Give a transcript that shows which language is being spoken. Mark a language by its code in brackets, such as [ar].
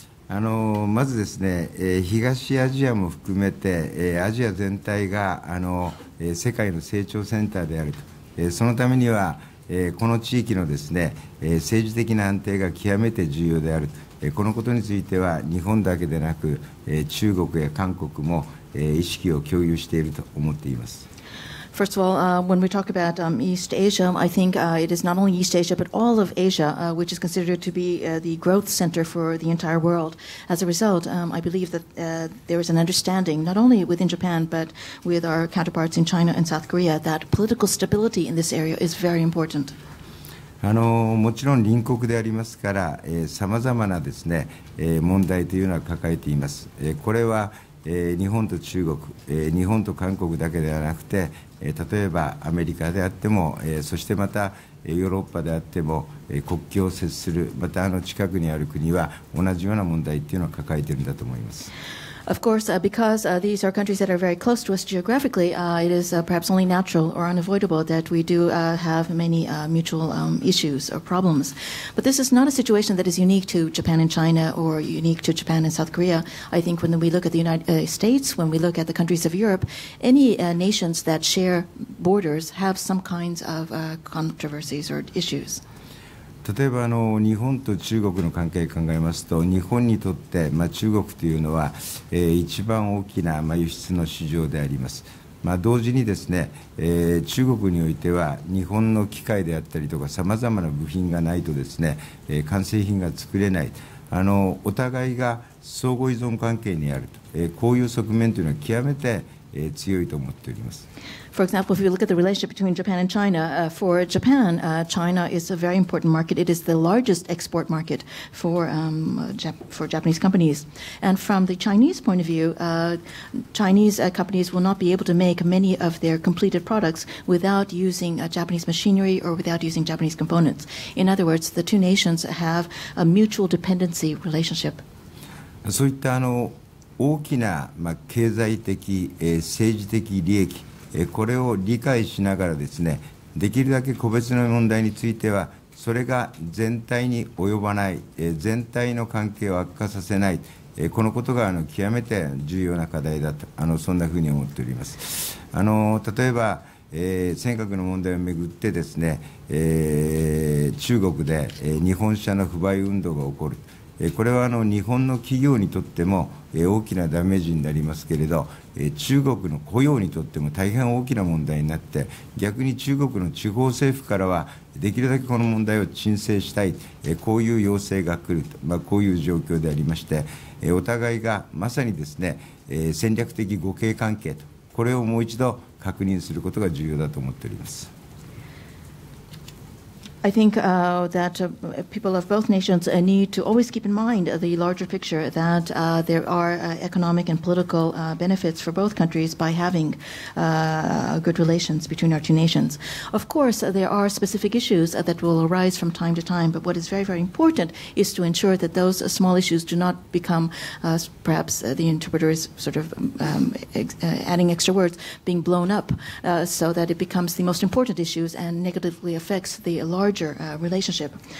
[ja] まずですね、東アジアも含めて、アジア全体が世界の成長センターであると、そのためには、この地域のですね、政治的な安定が極めて重要であるとこのことについては日本だけでなく中国や韓国も意識を共有していると思っています。 [en] First of all, when we talk about East Asia, I think it is not only East Asia, but all of Asia, which is considered to be the growth center for the entire world. As a result, I believe that there is an understanding, not only within Japan, but with our counterparts in China and South Korea, that political stability in this area is very important. [ja] もちろん隣国でありますから、さまざまなですね、問題というのは抱えています。これは日本と中国、日本と韓国だけではなくて、例えばアメリカであっても、そしてまたヨーロッパであっても、国境を接する、また近くにある国は同じような問題というのを抱えているんだと思います。 [en] Of course, because these are countries that are very close to us geographically, it is perhaps only natural or unavoidable that we do have many mutual issues or problems. But this is not a situation that is unique to Japan and China or unique to Japan and South Korea. I think when we look at the United States, when we look at the countries of Europe, any nations that share borders have some kinds of controversies or issues. [ja] 例えば日本と中国の関係を考えますと、日本にとって、中国というのは、一番大きな、輸出の市場であります。同時にですね、中国においては日本の機械であったりとかさまざまな部品がないとですね、完成品が作れない。お互いが相互依存関係にあると、こういう側面というのは極めて強いと思っております。 [en] For example, if you look at the relationship between Japan and China, for Japan, China is a very important market. It is the largest export market for Japanese companies. And from the Chinese point of view, Chinese companies will not be able to make many of their completed products without using Japanese machinery or without using Japanese components. In other words, the two nations have a mutual dependency relationship. [ja] そういった大きな経済的、政治的利益、これを理解しながらですね、できるだけ個別の問題については、それが全体に及ばない、全体の関係を悪化させない、このことが極めて重要な課題だと、そんなふうに思っております。例えば、尖閣の問題をめぐってですね、中国で、日本車の不買運動が起こる、これは日本の企業にとっても大きなダメージになりますけれど、中国の雇用にとっても大変大きな問題になって、逆に中国の地方政府からはできるだけこの問題を鎮静したい、こういう要請が来ると、こういう状況でありまして、お互いがまさにですね、戦略的互恵関係と、これをもう一度確認することが重要だと思っております。 [en] I think that people of both nations need to always keep in mind the larger picture that there are economic and political benefits for both countries by having good relations between our two nations. Of course, there are specific issues that will arise from time to time, but what is very, very important is to ensure that those small issues do not become, perhaps the interpreter is sort of adding extra words, being blown up so that it becomes the most important issues and negatively affects the larger relationship.